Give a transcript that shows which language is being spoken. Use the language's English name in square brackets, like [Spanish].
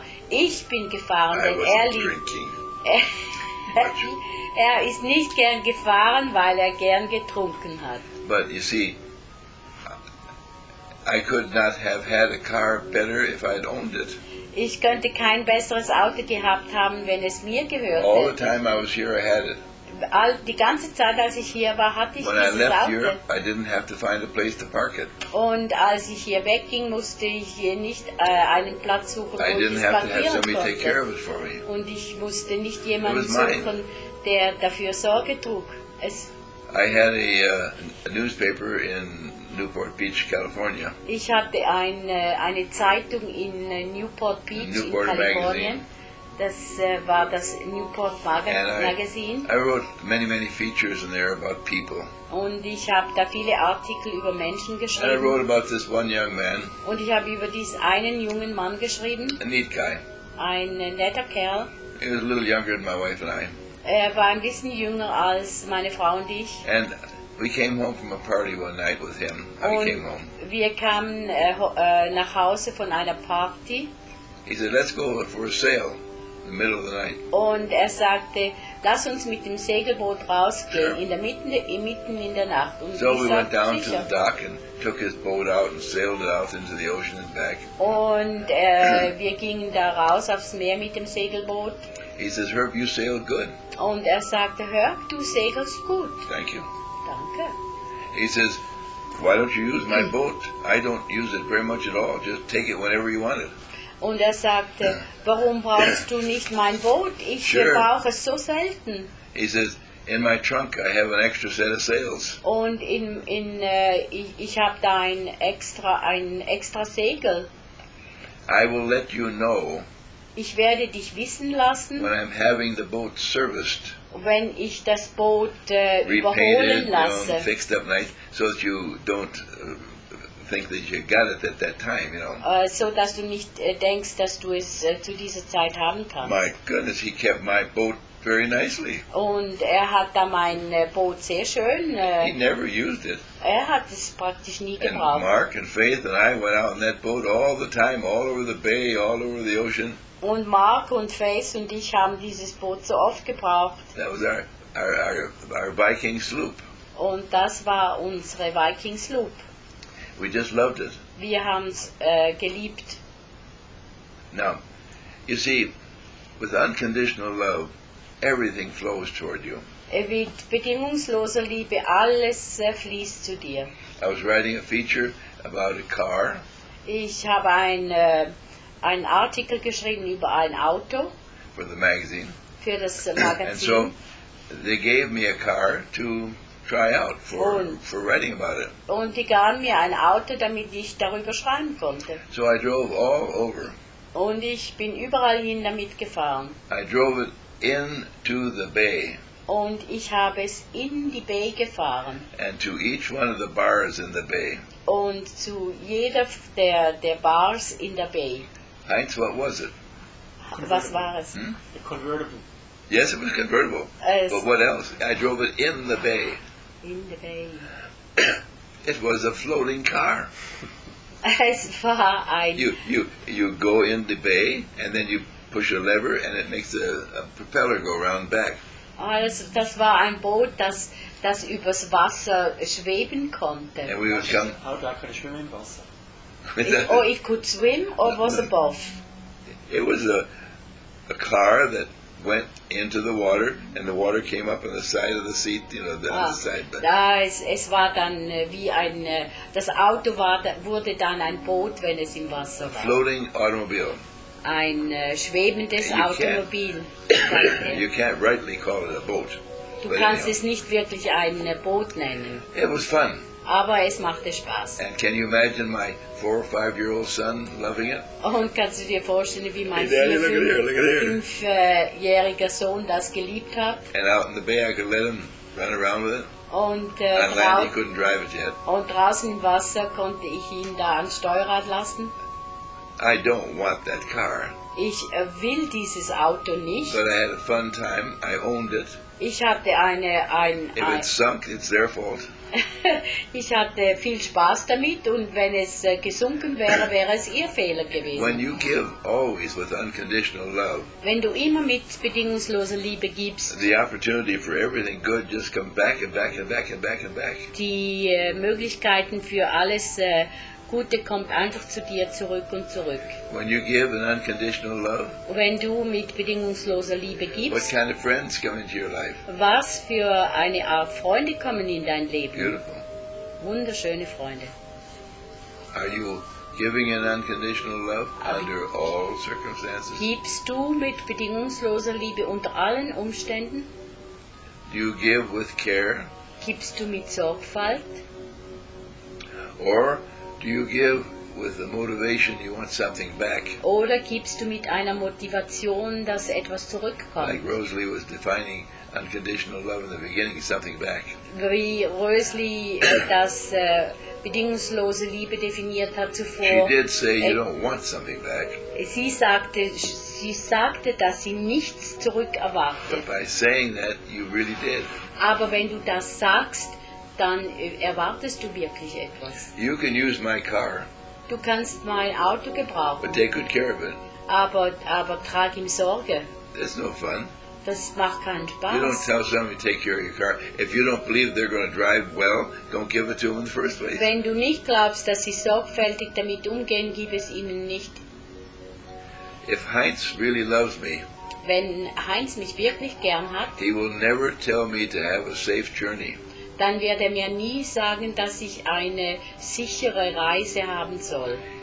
[German] Ich bin gefahren, denn er ist nicht gern gefahren, weil gern getrunken hat. [English] But you see, I could not have had a car better if I had owned it. [German] Ich könnte kein besseres Auto gehabt haben, wenn es mir gehörte. [English] All the time I was here, I had it. [German] Die ganze Zeit, als ich hier war, hatte ich dieses Auto. [English] Europe, I didn't have to find a place to park it. [German] Und als ich hier wegging, musste ich hier nicht einen Platz suchen, wo ich es parkieren konnte. Und ich musste nicht jemanden suchen, der dafür Sorge trug. [English] I had a newspaper in Newport Beach, California. [German] Ich hatte eine Zeitung in Newport Beach, Newport in Kalifornien. [English] Magazine. [German] Das war das Newport Magazine. [English] I wrote many, many features in there about people. [German] Und ich habe da viele Artikel über Menschen geschrieben. [English] And I wrote about this one young man. [German] Und ich habe über diesen einen jungen Mann geschrieben. [English] A neat guy. [German] Ein netter Kerl. [English] He was a little younger than my wife and I. [German] Er war ein bisschen jünger als meine Frau und ich. [English] And we came home from a party one night with him. [German] Und [English] we came home. [German] Wir kamen nach Hause von einer Party. [English] He said, let's go for a sail. In the middle of the night. [German] Und sagte, lass uns mit dem Segelboot rausgehen, [English] sure. [German] Mitten in der Nacht. Und [English] so we went down [German] sicher. [English] To the dock and took his boat out and sailed it out into the ocean and back. [German] Und wir gingen da raus aufs Meer mit dem Segelboot. [English] He says, Herb, you sail good. [German] Und sagte, Herb, du segelst gut. [English] Thank you. [German] Danke. [English] He says, why don't you use my boat? I don't use it very much at all. Just take it whenever you want it. [German] Und sagte, warum brauchst du nicht mein Boot? Ich brauche es so selten. [English] He says, in my trunk I have an extra set of sails. [German] Und ich habe da ein extra Segel. [English] I will let you know. [German] Ich werde dich wissen lassen. [English] When I'm having the boat serviced. [German] Wenn ich das Boot überholen lasse. [English] Repainted, fixed up nice, so that you don't think that you got it at that time, you know. [German] So dass du nicht denkst, dass du es zu dieser Zeit haben kannst. [English] My goodness, he kept my boat very nicely. [German] Und hat da mein Boot sehr schön. [English] He never used it. [German] Hat es praktisch nie gebraucht. [English] And Mark and Faith and I went out in that boat all the time, all over the bay, all over the ocean. [German] Und Mark und Faith und ich haben dieses Boot so oft gebraucht. [English] That was our Viking sloop. [German] Und das war unsere Viking sloop. [English] We just loved it. [German] Wir haben's geliebt. [English] Now, you see, with unconditional love, everything flows toward you. [German] Mit bedingungsloser Liebe, alles fließt zu dir. [English] I was writing a feature about a car. [German] Ich habe ein Artikel geschrieben über ein Auto. [English] For the magazine. [German] Für das Magazin. [English] And so, they gave me a car to try out for writing about it. [German] Und die gaben mir ein Auto, damit ich darüber schreiben konnte. [English] So I drove all over. [German] Und ich bin überall hin damit gefahren. [English] I drove it into the bay. [German] Und ich habe es in die Bay gefahren. [English] And to each one of the bars in the bay. [German] Und zu jeder der Bars in der Bay. [English] Heinz, what was it? [German] Was war es? [English] A convertible. Yes, it was convertible. But what else? I drove it in the bay. In the bay. It was a floating car. As far I you go in the bay and then you push a lever and it makes a propeller go round back. [German] Also, das war ein Boot, das übers Wasser schweben konnte. [English] And we would come. How dark could I swim in Wasser? It could swim or was above? It was a car that went into the water, and the water came up on the side of the seat, you know, the other side. But [German] es war dann wie ein, das Auto war, wurde dann ein Boot, wenn es im Wasser war. [English] A floating automobile. [German] Ein schwebendes Automobil. [English] You can't rightly call it a boat. [German] Du kannst es nicht wirklich ein Boot nennen. [English] It was fun. [German] Aber es machte Spaß. [English] And can you imagine my 4 or 5 year old son loving it? [German] Und kannst du dir vorstellen, wie mein 5-jähriger Sohn das geliebt hat? [English] And out in the bay, I could let him run around with it. [German] Und [English] land, he couldn't drive it yet. [German] Und draußen im Wasser konnte ich ihn da ans Steuerrad lassen. [English] I don't want that car. [German] Ich will dieses Auto nicht. [English] But I had a fun time. I owned it. [German] Ich hatte [English] If it sunk, it's their fault. [German] Ich hatte viel Spaß damit, und wenn es gesunken wäre, wäre es ihr Fehler gewesen. [English] When you give always with unconditional love, [German] wenn du immer mit bedingungsloser Liebe gibst, [English] the opportunity for everything good just come back and back and back and back and back. [German] Die Möglichkeiten für alles Gute kommt einfach zu dir zurück und zurück. [English] When you give an unconditional love, [German] wenn du mit bedingungsloser Liebe gibst, [English] what kind of friends come into your life? [German] Was für eine Art Freunde kommen in dein Leben? [English] Beautiful. [German] Wunderschöne Freunde. [English] Are you giving an unconditional love under all circumstances? [German] Gibst du mit bedingungsloser Liebe unter allen Umständen? [English] Do you give with care? [German] Gibst du mit Sorgfalt? [English] Or do you give with the motivation you want something back? [German] Oder gibst du mit einer Motivation, dass etwas zurückkommt? [English] Like Rosalie was defining unconditional love in the beginning, something back. [German] Wie Rosalie das bedingungslose Liebe definiert hat zuvor. [English] She did say you don't want something back. [German] Sie sagte, dass sie nichts zurückerwartet. [English] But by saying that, you really did. [German] Aber wenn du das sagst, dann erwartest du wirklich etwas. [English] You can use my car. [German] Du kannst mein Auto gebrauchen. [English] But take good care of it. [German] Aber trag ihm Sorge. [English] That's no fun. [German] Das macht keinen Spaß. [English] You don't tell somebody to take care of your car. If you don't believe they're going to drive well, don't give it to them in the first place. [German] Wenn du nicht glaubst, dass sie sorgfältig damit umgehen, gib es ihnen nicht. [English] If Heinz really loves me, [German] wenn Heinz mich wirklich gern hat, [English] he will never tell me to have a safe journey. [German] Dann wird er mir nie sagen, dass ich eine sichere Reise haben soll.